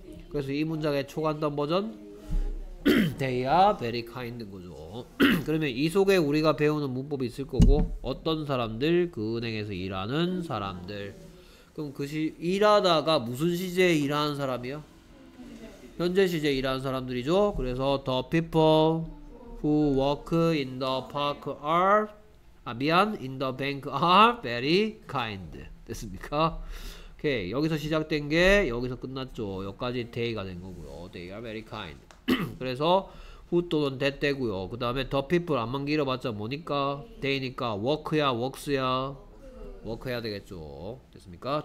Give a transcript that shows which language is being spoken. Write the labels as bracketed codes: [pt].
[ko] 그래서 이 문장의 초간단 버전 [en] they are very kind [ko] 인 거죠. 그러면 이 속에 우리가 배우는 문법이 있을 거고 어떤 사람들? 그 은행에서 일하는 사람들. 그럼 그 일하다가 무슨 시제에 일하는 사람이요? 현재 시제에 일하는 사람들이죠. 그래서 [en] the people who work in the park are [ko] 미안 [en] in the bank are very kind. [ko] 됐습니까? 오케이. 여기서 시작된 게 여기서 끝났죠. 여기까지 day가 된 거고요. [en] They are very kind. [ko] 그래서 who 또는 that 되고요. 그 다음에 the people 안만 길어봤자 뭐니까? day니까 work야 works야 work해야 되겠죠. 됐습니까?